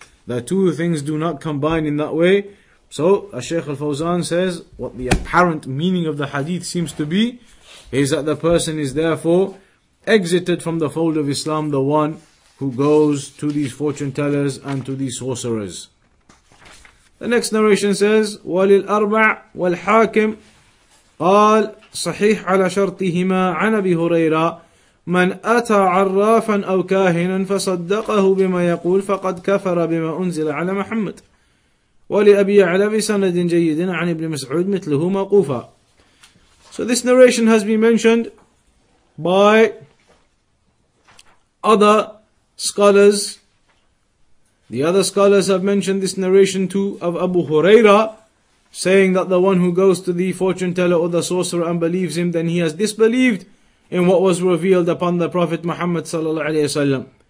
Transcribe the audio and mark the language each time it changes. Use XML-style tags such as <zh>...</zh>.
<en>The two things do not combine in that way. So, as Shaykh Al-Fawzan says, what the apparent meaning of the hadith seems to be, is that the person is therefore exited from the fold of Islam, the one who goes to these fortune tellers and to these sorcerers. The next narration says,</en> <ar>وَلِلْأَرْبَعْ وَالْحَاكِمْ قَالْ صَحِيحْ عَلَى شَرْطِهِمَا عَنْ أَبِي هُرَيْرَىٰ مَنْ أَتَى عَرَّافًا أَوْ كَاهِنًا فَصَدَّقَهُ بِمَا يَقُولْ فَقَدْ كَفَرَ بِمَا أُنزِلَ عَلَى مُحَمَّدْ وَلِأَبِي عَلَى بِسَنَدٍ جَيِّدٍ عَنْ إِبْنِ مَسْعُودٍ مِثْلُهُ مَقُوفًا.</ar> <en>So this narration has been mentioned by other scholars. The other scholars have mentioned this narration too of Abu Hurraira, saying that the one who goes to the fortune teller or the sorcerer and believes him, then he has disbelieved in what was revealed upon the Prophet Muhammad sallallahu alaihi wasallam.</en>